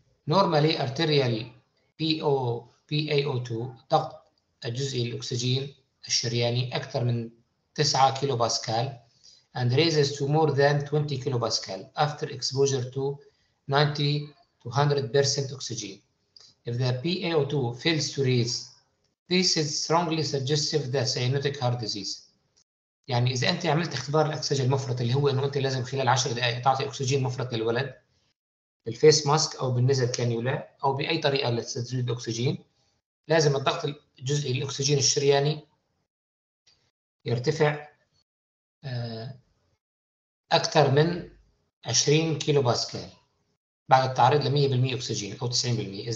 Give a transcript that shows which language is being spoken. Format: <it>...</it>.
<en>normally arterial PaO2</en> <ar>ضغط الجزئي الأكسجين الشرياني أكثر من 9 كيلو باسكال</ar> <en>and raises to more than 20 kilopascal after exposure to 90 to 100% oxygen. If the PaO2 fails to raise, this is strongly suggestive that cyanotic heart disease.</en> <ar>يعني إذا أنت عملت اختبار الأكسجين المفرط اللي هو إنه أنت لازم خلال 10 دقائق تعطي أكسجين مفرط للولد بالفيس ماسك أو بالنزل كانيولا أو بأي طريقة لتزويد الأكسجين، لازم الضغط الجزئي الأكسجين الشرياني يرتفع أكثر من 20 كيلو باسكال بعد التعريض ل 100% أكسجين أو 90%.</ar>